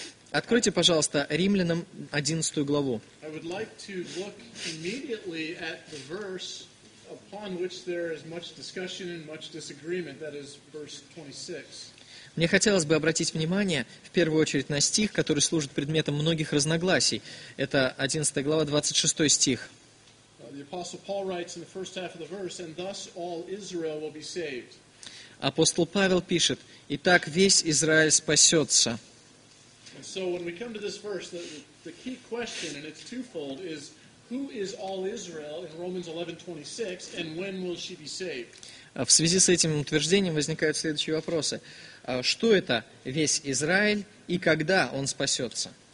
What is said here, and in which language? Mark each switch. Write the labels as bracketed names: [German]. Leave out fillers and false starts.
[Russian] Откройте, пожалуйста, Римлянам 11 главу. Мне хотелось бы обратить внимание, в первую очередь, на стих, который служит предметом многих разногласий. Это 11 глава, 26 стих. [English] Apostle Paul writes in the first half of the verse, and thus all Israel will be saved. [Russian] Апостол Павел пишет, и так весь Израиль спасется. [English] And so when we come to this verse, the key question, and it's twofold, is who is all Israel in Romans 11:26, and when will she be saved? [Russian] В связи с этим утверждением возникают следующие вопросы. Что это весь Израиль и когда он спасется?